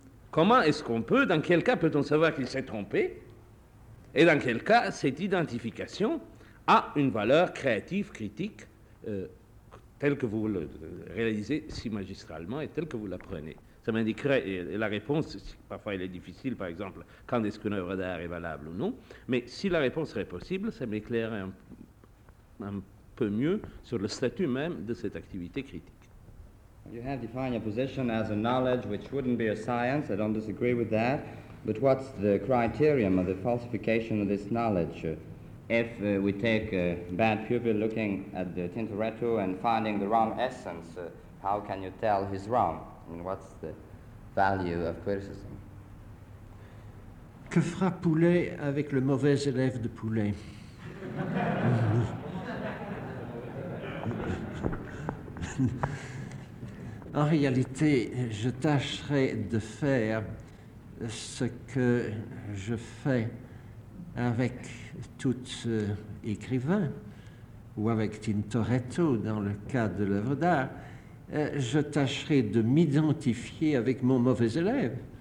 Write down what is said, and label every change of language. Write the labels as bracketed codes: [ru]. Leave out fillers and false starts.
[fr] Comment est-ce qu'on peut, dans quel cas peut-on savoir qu'il s'est trompé, et dans quel cas cette identification a une valeur créative, critique, telle que vous le réalisez si magistralement et telle que vous l'apprenez. Ça m'indiquerait la réponse, si parfois elle est difficile, par exemple, quand est-ce qu'une œuvre d'art est valable ou non, mais si la réponse serait possible, ça m'éclairerait un peu mieux sur le statut même de cette activité critique. [en] You have defined your position as a knowledge which wouldn't be a science, I don't disagree with that, but what's the criterion of the falsification of this knowledge? If we take a bad pupil looking at the Tintoretto and finding the wrong essence, how can you tell he's wrong? And what's the value of criticism? [fr] Que fera Poulet avec le mauvais élève de Poulet? En réalité, je tâcherai de faire ce que je fais avec tout écrivain, ou avec Tintoretto dans le cas de l'œuvre d'art, je tâcherai de m'identifier avec mon mauvais élève.